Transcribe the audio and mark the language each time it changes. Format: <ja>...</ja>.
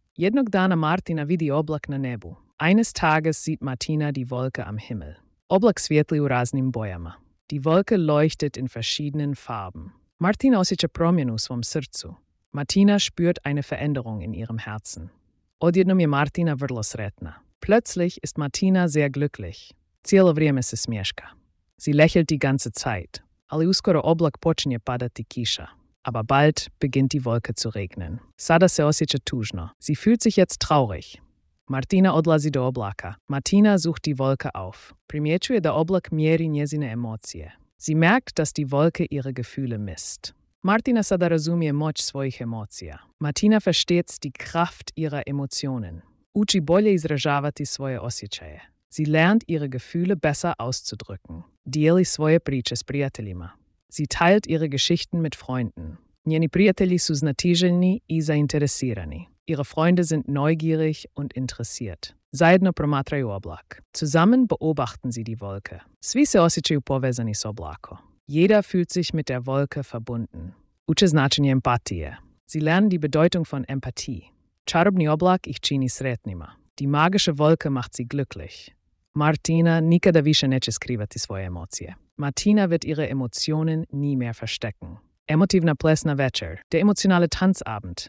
<hr>Jednog dana Martina vidi oblak na nebu.</hr> <de>Eines Tages sieht Martina die Wolke am Himmel.</de> <hr>Oblak svijetli u raznim bojama.</hr> <de>Die Wolke leuchtet in verschiedenen Farben.</de> <hr>Martina osjeća promjenu u svom srcu.</hr> <de>Martina spürt eine Veränderung in ihrem Herzen.</de> <hr>Odjednom je Martina vrlo sretna.</hr> <de>Plötzlich ist Martina sehr glücklich.</de> <hr>Cijelo vrijeme se smješka.</hr> <de>Sie lächelt die ganze Zeit.</de> <hr>Ali uskoro oblak počinje padati kiša.</hr> <de>Aber bald beginnt die Wolke zu regnen.</de> <hr>Sada se osjeća tužno.</hr> <de>Sie fühlt sich jetzt traurig.</de> <hr>Martina odlazi do oblaka.</hr> <de>Martina sucht die Wolke auf.</de> <hr>Primjećuje da oblak mjeri njezine emocije.</hr> <de>Sie merkt, dass die Wolke ihre Gefühle misst.</de> <hr>Martina sada razumije moć svojih emocija.</hr> <de>Martina versteht die Kraft ihrer Emotionen.</de> <hr>Uči bolje izražavati svoje osjećaje.</hr> <de>Sie lernt, ihre Gefühle besser auszudrücken.</de> <hr>Dijeli svoje priče s prijateljima.</hr> <de>Sie teilt ihre Geschichten mit Freunden.</de> <hr>Njeni prijatelji su znatiželjni i zainteresirani.</hr> <de>Ihre Freunde sind neugierig und interessiert.</de> <hr>Zajedno promatraju oblak.</hr> <de>Zusammen beobachten sie die Wolke.</de> <hr>Svi se osjećaju povezani s oblako.</hr> <de>Jeder fühlt sich mit der Wolke verbunden.</de> <hr>Uče značenje empatije.</hr> <de>Sie lernen die Bedeutung von Empathie.</de> <hr>Čarobni oblak ih čini sretnima.</hr> <de>Die magische Wolke macht sie glücklich.</de> <hr>Martina nikada više neće skrivati svoje emocije.</hr> <de>Martina wird ihre Emotionen nie mehr verstecken.</de> <hr>Emotivna plesna večer,</hr> <de>der emotionale Tanzabend.</de>